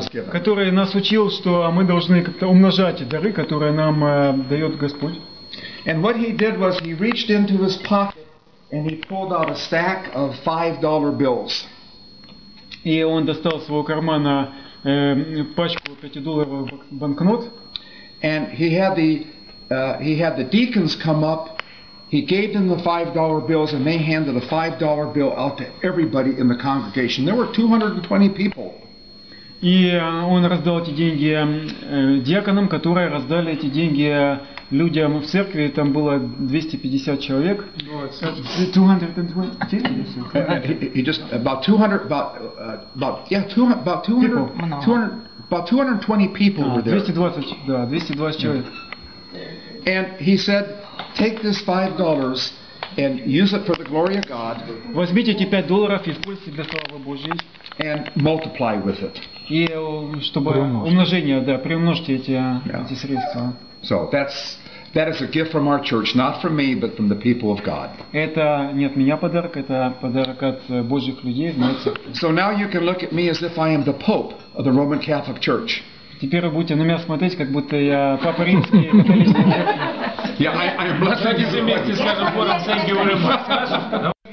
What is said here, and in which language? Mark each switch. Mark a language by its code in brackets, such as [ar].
[ru] Который нас учил, что мы должны как-то умножать дары, которые нам дает Господь. [en] And what he did was he reached into his pocket and he pulled out a stack of $5 bills. [ru] И он достал из своего кармана пачку $5 банкнот. [en] And he had the he had the deacons come up, he gave them the $5 bills, and they handed a $5 bill out to everybody in the congregation. There were 220 people. [ru] И он раздал эти деньги диаконам, которые раздали эти деньги людям в церкви. Там было 250 человек. [en] 220 people were there. [ru] 220 человек. [en] And he said, take this $5 and use it for the glory of God. [ru] Возьмите эти $5 и используйте для славы Божьей. [en] And multiply with it. [ru] И чтобы умножение, да, приумножьте эти, эти средства. [en] So that's that is a gift from our church, not from me, but from the people of God. [ru] Это не от меня подарок, это подарок от Божьих людей в моей церкви. [en] So now you can look at me as if I am the Pope of the Roman Catholic Church. [ru] Теперь вы будете на меня смотреть, как будто я Папа Римский католический [en] церкви. Yeah, I am blessed. [ru] Давайте все вместе скажем хором [en] «Thank you very much».